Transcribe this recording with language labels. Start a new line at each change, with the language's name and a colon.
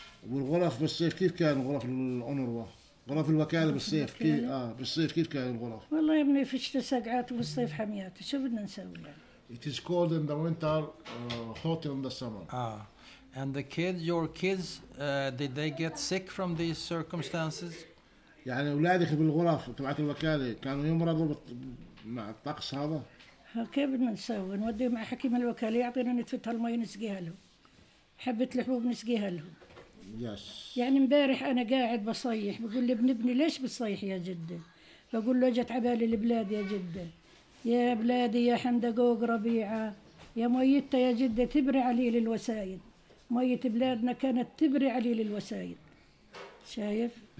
Arabic: والغرف بالصيف كيف كان غرف الأونروا غرف الوكالة بالصيف كي بالصيف كيف كان الغرف؟ والله يا ابني في الشتاء سقعات والصيف حميات شو بدنا نسوي يعني؟
English: It is cold in the winter, hot in the summer. And the kids, your kids, did they get sick from these circumstances?
Arabic: يعني أولادك بالغرف تبعت الوكالة كانوا يمرضوا مع الطقس هذا؟ كيف بدنا نسوي؟ نوديه مع حكيم الوكالة يعطينا نتفت هالمي نسقيها لهم حبة الحبوب نسقيها لهم
English: Yes.
Arabic: يعني مبارح أنا قاعد بصيح بقول لابن ابني ليش بصيح يا جدة؟ بقول له جت عبالي البلاد يا جدة يا بلادي يا حندقوق ربيعة يا ميتة يا جدة تبرع لي للوسائد مية بلادنا كانت تبرع لي للوسائد شايف؟